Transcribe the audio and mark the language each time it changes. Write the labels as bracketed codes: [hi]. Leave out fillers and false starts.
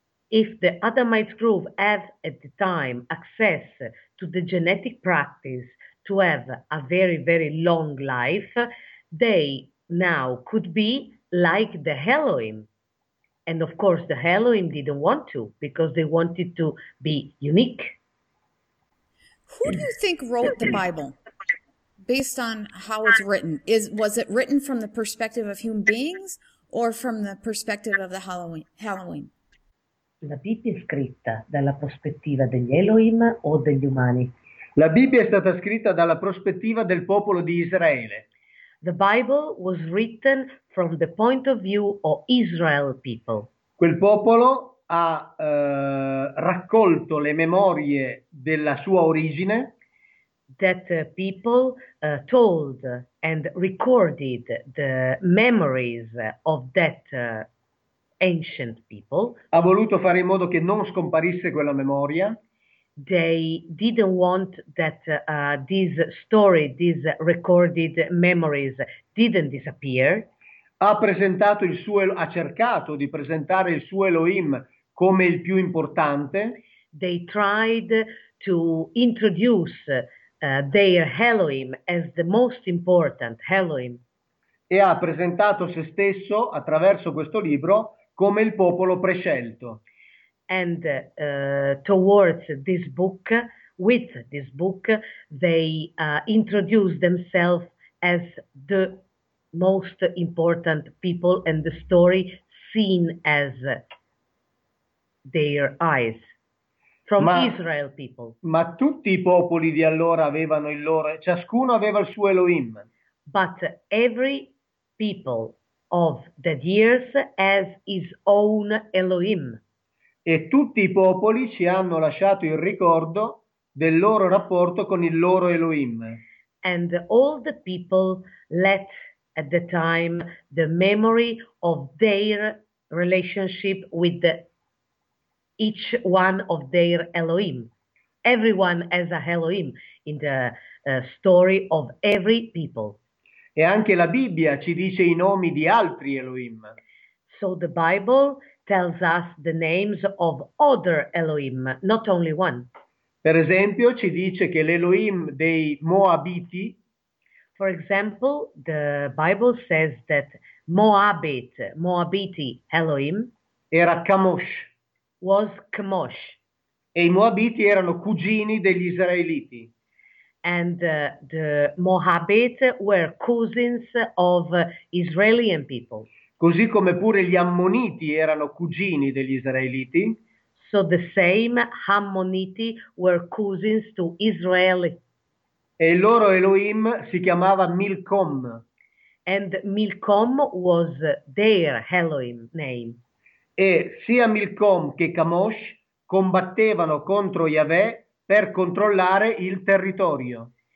[en] If the Adamite group had at the time access to the genetic practice to have a very, very long life, they now could be like the Elohim. And of course the Elohim didn't want to because they wanted to be unique. Who do you think wrote the Bible based on how it's written? Was it written from the perspective of human beings or from the perspective of the Halloween? [it] La Bibbia è scritta dalla prospettiva degli Elohim o degli umani? La Bibbia è stata scritta dalla prospettiva del popolo di Israele. [en] The Bible was written from the point of view of Israel people. [it] Quel popolo ha raccolto le memorie della sua origine. [en] That people told and recorded the memories of that ancient people. [it] Ha voluto fare in modo che non scomparisse quella memoria. [en] They didn't want that this story, these recorded memories didn't disappear. [it] Ha cercato di presentare il suo Elohim come il più importante. [en] They tried to introduce their Elohim as the most important Elohim. [it] E ha presentato se stesso attraverso questo libro come il popolo prescelto. [en] And towards this book, with this book, they introduce themselves as the most important people and the story seen as their eyes from Israel people. [it] Ma tutti i popoli di allora avevano il loro, ciascuno aveva il suo Elohim. [en] But every people of that years has his own Elohim. [it] E tutti i popoli ci hanno lasciato il ricordo del loro rapporto con il loro Elohim. [en] And all the people left at the time the memory of their relationship with each one of their Elohim. Everyone has a Elohim in the story of every people. [it] E anche la Bibbia ci dice i nomi di altri Elohim. [en] So the Bible tells us the names of other Elohim, not only one. [it] Per esempio, ci dice che l'Elohim dei Moabiti. [en] For example, the Bible says that Moabiti Elohim [it] Era Kamosh. [en] was Chemosh. [it] E i Moabiti erano cugini degli Israeliti. [en] And the Moabite were cousins of Israeli people. [it] Così come pure gli Ammoniti erano cugini degli Israeliti. [en] So the same Ammoniti were cousins to Israeli. [it] E il loro Elohim si chiamava Milcom. [en] And Milcom was their Elohim name. [it] E sia Milcom che Kamosh combattevano contro Yahweh per controllare il territorio.